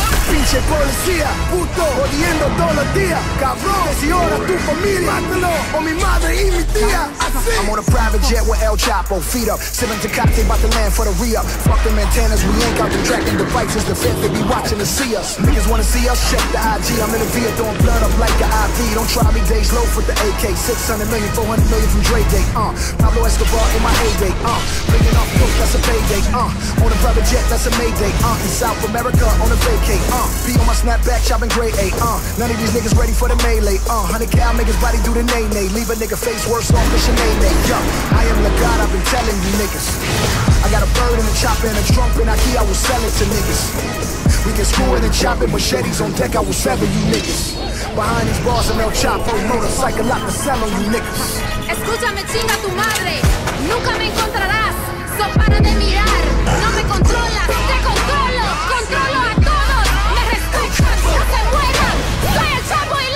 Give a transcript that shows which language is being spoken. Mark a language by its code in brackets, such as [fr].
[es] Pinche policía, puto, jodiendo todos los días. Cabrón, que si ahora tu familia. Mátalo, o mi madre y mi tía. [en] I'm on a private jet with El Chapo, feet up. Sipping Tecate, about to land for the re-up. Fuck them antennas, we ain't got the track. And the bikes is the fifth, they be watching to see us. Niggas wanna see us, check the IG. I'm in a V, throwing blood up like an IV. Don't try me, days low with the AK. 600 million, 400 million from Dre Day, Pablo Escobar in my heyday, bringing off book, that's a payday, on a private jet, that's a mayday, in South America, on a vacay, be on my snapback, shopping gray, none of these niggas ready for the melee, 100 cal, make his body do the nay-nay. Leave a nigga face worse off the shenanigans. Yo, I am the God, I've been telling you niggas. I got a bird and a chopper and a trump and a key, I will sell it to niggas. We can screw it and chop it, machetes on deck, I will sever you niggas. Behind these bars and El Chapo, motorcycle lock to sell on you niggas. [es] Escúchame, chinga tu madre, nunca me encontrarás. So para de mirar, no me controlas, te controlo, controlo a todos. Me respetas, no te mueras, soy El Chapo.